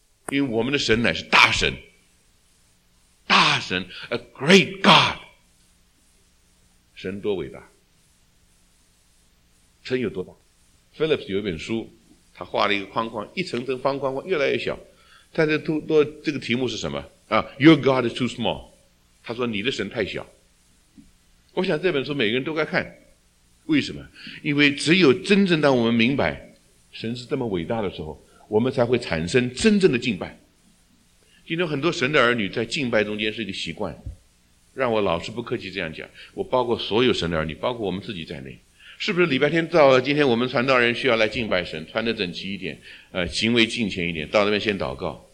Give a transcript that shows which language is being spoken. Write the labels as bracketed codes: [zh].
[zh] 因为我们的神乃是大神，大神 [en] a great God， [zh] 神多伟大，神有多大。 Phillips 有一本书，他画了一个框框，一层层方框框越来越小，他的这个题目是什么啊？ [en] Your God is too small， [zh] 他说你的神太小。我想这本书每个人都该看，为什么？因为只有真正当我们明白神是这么伟大的时候，我们才会产生真正的敬拜。今天很多神的儿女在敬拜中间是一个习惯，让我老是不客气这样讲，我包括所有神的儿女，包括我们自己在内，是不是礼拜天到了，今天我们传道人需要来敬拜神，穿得整齐一点，行为敬虔一点，到那边先祷告？